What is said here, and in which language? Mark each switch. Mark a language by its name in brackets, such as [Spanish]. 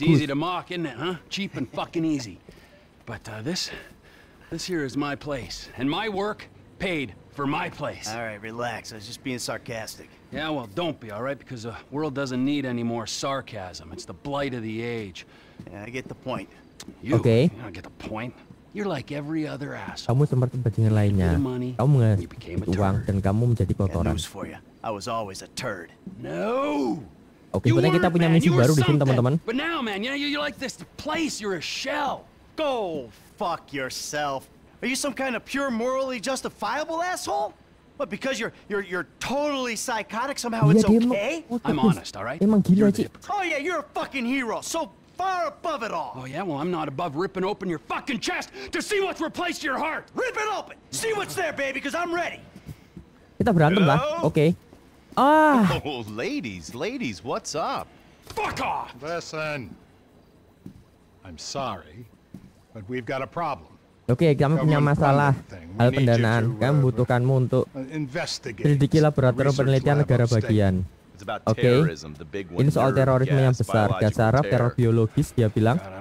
[English] It's easy to mock, isn't it, huh? Cheap and fucking easy. But this here is my place and my work paid. For my place. All right, relax. I was just being sarcastic. Yeah, well, don't be, all right? Because the world doesn't need any more sarcasm. It's the blight of the age. Yeah, I get the point. You, okay. You don't get the point. You're like every other asshole. [Indonesian] Kamu seperti bajingan lainnya. Kamu mengasih uang dan kamu menjadi kotoran. [English] News for you. I was always a turd. No. [Indonesian] Okay, berarti kita punya misi baru di sini, teman-teman. [English] But now, man, you know, you're like this place. You're a shell. Go fuck yourself. Are you some kind of pure morally justifiable asshole? But because you're totally psychotic somehow it's okay? I'm honest, all right? Emang gila sih. Oh yeah, you're a fucking hero. So far above it all. Oh yeah, well I'm not above ripping open your fucking chest to see what's replaced your heart. Rip it open. See what's there, baby, because I'm ready. [Indonesian] Kita berantem lah. Oke. Ah. [English] Oh, ladies, what's up? Fuck off. Listen. I'm sorry, but we've got a problem. [Indonesian] Oke, kami punya masalah hal pendanaan. Kami membutuhkanmu untuk selidiki laboratorium penelitian negara bagian. Oke, okay. Ini soal terorisme yang besar. Gas saraf, teror biologis, dia bilang.